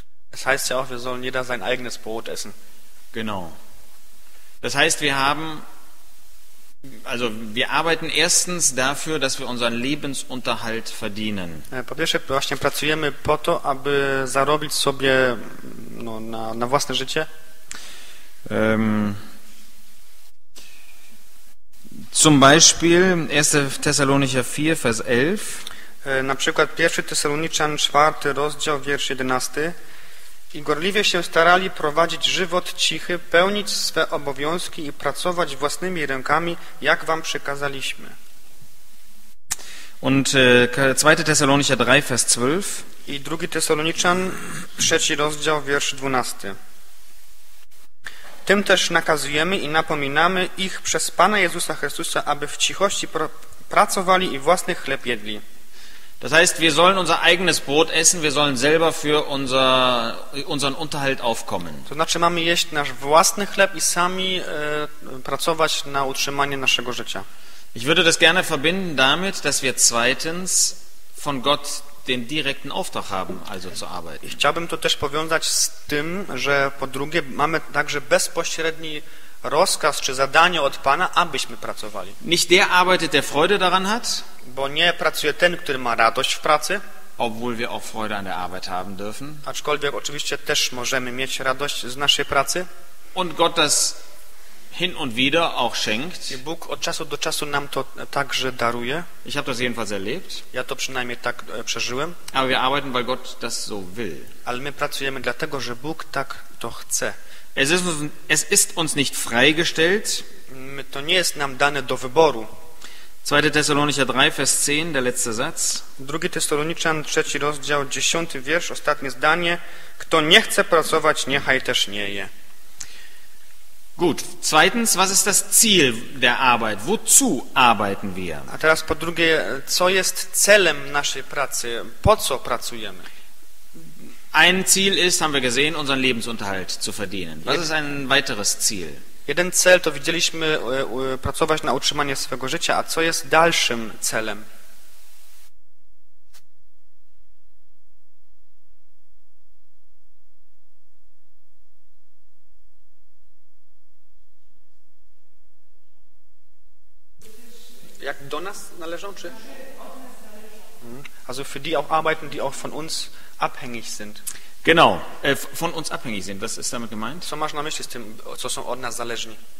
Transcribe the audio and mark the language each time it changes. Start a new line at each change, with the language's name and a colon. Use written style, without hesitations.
German: Es heißt ja auch, wir sollen jeder sein eigenes Brot essen. Genau. Das heißt, wir haben, also wir arbeiten erstens dafür, dass wir unseren Lebensunterhalt verdienen.
Polish: Po pierwsze, właśnie pracujemy po to, aby zarobić sobie no, na własne życie.
German: Zum Beispiel 1. Thessalonicher 4, Vers 11.
Polish: Na przykład 1. Thessaloniczan 4, rozdział, wiersz 11. I gorliwie się starali prowadzić żywot cichy, pełnić swe obowiązki i pracować własnymi rękami, jak wam przekazaliśmy.
German: Und 2. Thessalonicher 3, Vers 12.
Polish: I 2. Thessaloniczan 3, rozdział, wiersz 12. Tym też nakazujemy i napominamy ich przez Pana Jezusa Chrystusa, aby w cichości pracowali i własny chleb jedli.
German: Das heißt, wir sollen unser eigenes Brot essen, wir sollen selber für unseren Unterhalt aufkommen.
Polish: To znaczy, mamy jeść nasz własny chleb i sami pracować na utrzymanie naszego życia.
German: Ich würde das gerne verbinden damit, dass wir zweitens von Gott den direkten Auftrag haben, also zu arbeiten.
Polish: I chciałbym to też powiązać z tym, że po drugie mamy także bezpośredni rozkaz czy zadanie od Pana, abyśmy pracowali.
German: Nicht der arbeitet, der Freude daran hat.
Polish: Bo nie pracuje ten, który ma radość w pracy.
German: Obwohl wir auch Freude an der Arbeit haben dürfen.
Polish: Aczkolwiek oczywiście też możemy mieć radość z naszej pracy.
German: Und Gott das hin und wieder auch schenkt.
Polish: I Bóg od czasu do czasu nam to także daruje.
German: Ich habe das jedenfalls erlebt.
Polish: Ja to przynajmniej tak przeżyłem.
German: Aber wir arbeiten, weil Gott das so will.
Polish: Ale my pracujemy dlatego, że Bóg tak to chce.
German: Es ist uns nicht freigestellt.
Polish: To nie jest nam dane do wyboru.
German: 2. Thessalonicher 3, Vers 10, der letzte Satz.
Polish: 2. Thessaloniczan, 3. rozdział, 10. wiersz, ostatnie zdanie. Kto nie chce pracować, niechaj też nie je.
German: Gut. Zweitens, was ist das Ziel der Arbeit? Wozu arbeiten wir?
Polish: A teraz po drugie, co jest celem naszej pracy? Po co pracujemy?
German: Ein Ziel ist, haben wir gesehen, unseren Lebensunterhalt zu verdienen. Was ist ein weiteres Ziel?
Polish: Jeden cel to widzieliśmy pracować na utrzymanie swego życia, a co jest dalszym celem? Jak do nas należą, czy?
German: Also für die auch arbeiten, die auch von uns abhängig sind. Genau, von uns abhängig sind. Was ist damit gemeint?
Polish: Co masz na myśli z tym, co są od nas zależni?